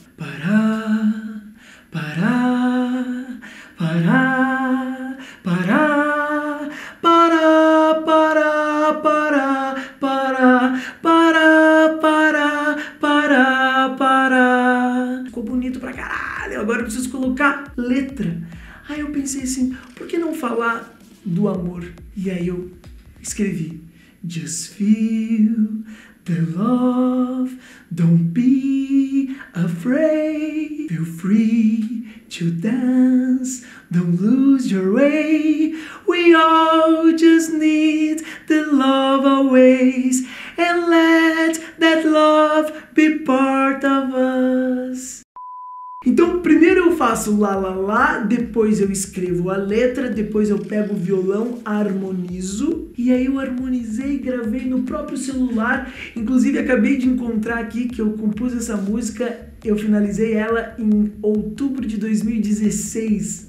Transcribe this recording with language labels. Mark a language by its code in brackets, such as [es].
[pt] Pará, pará, pará, pará, pará, pará, pará, pará, pará, pará, pará, pará. Ficou bonito pra caralho, agora eu preciso colocar letra. Aí eu pensei assim, por que não falar do amor? E aí eu escrevi, [en] just feel the love, don't be afraid, feel free to dance, don't lose your way, we all just need the love always, and let that love be part of us. [pt] Então primeiro eu faço lá lá lá, depois eu escrevo a letra, depois eu pego o violão, harmonizo. E aí eu harmonizei e gravei no próprio celular. Inclusive acabei de encontrar aqui que eu compus essa música, eu finalizei ela em outubro de 2016.